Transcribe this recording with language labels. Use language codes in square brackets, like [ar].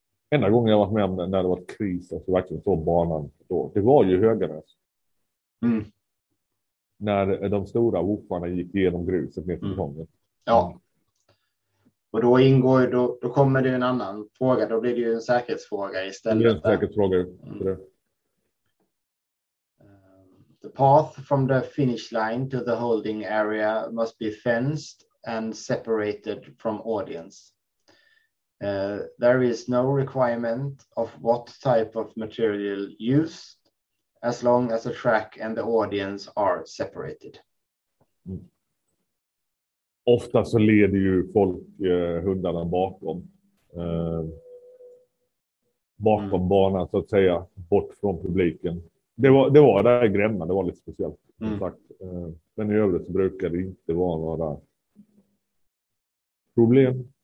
[sv] Enda gången jag varit med om det, när det var kris och så verkligen så banan då, det var ju Höganäs. Mm. När de stora woofarna gick igenom gruset ner till gången. Ja. Och då ingår då kommer det en annan fråga, då blir det ju en säkerhetsfråga istället. Det är en säkerhetsfråga. Mm. [en] The path from the finish line to the holding area must be fenced and separated from audience. There is no requirement of what type of material used as long as the track and the audience are separated. Mm. [sv] Ofta så leder ju folk hundarna bakom bakom banan så att säga bort från publiken. Det var där grämmen, det var lite speciellt som sagt. Men i övrigt så brukar det inte vara några problem.